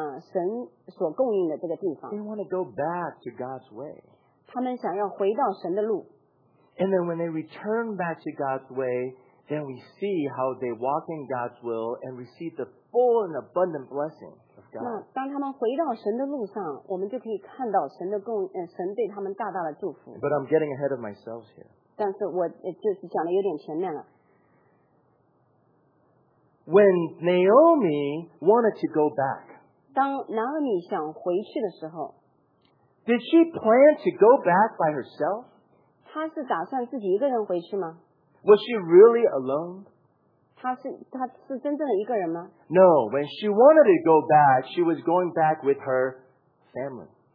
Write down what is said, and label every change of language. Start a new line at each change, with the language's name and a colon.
Chinese: 他们呢就想，就回到了这个神所供应的这个地方。
English: They want to go back to God's way.
Chinese: 他们想要回到神的路。
English: And then when they return back to God's way, then we see how they walk in God's will and receive the full and abundant blessing of God.
Chinese: 那当他们回到神的路上，我们就可以看到神对他们大大的祝福。
English: But I'm getting ahead of myself here.
Chinese: 但是我就是讲的有点前面了。
English: When Naomi wanted to go back,
Chinese: 当拿俄米想回去的时候,
English: did she plan to go back by herself?
Chinese: 她是打算自己一个人回去吗?
English: Was she really alone?
Chinese: 她是真正的一个人吗?
English: No, when she wanted to go back, she was going back with her family.